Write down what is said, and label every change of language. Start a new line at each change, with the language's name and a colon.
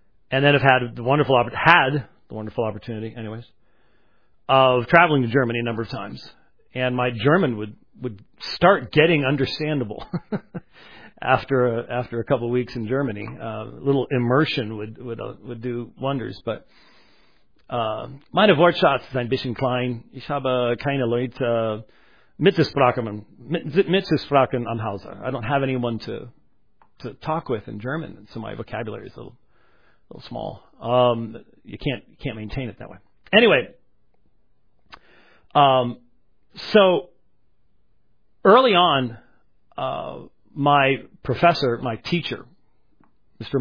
English: And then I've had the wonderful opportunity, of traveling to Germany a number of times. And my German would start getting understandable after a couple of weeks in Germany. A little immersion would do wonders.
German: But meine Wortschatz ist ein bisschen klein. Ich habe keine Leute mitzusprechen am Hause.
English: I don't have anyone to talk with in German, so my vocabulary is a little small. You can't maintain it that way. Anyway, so early on, my professor, my teacher, Mr.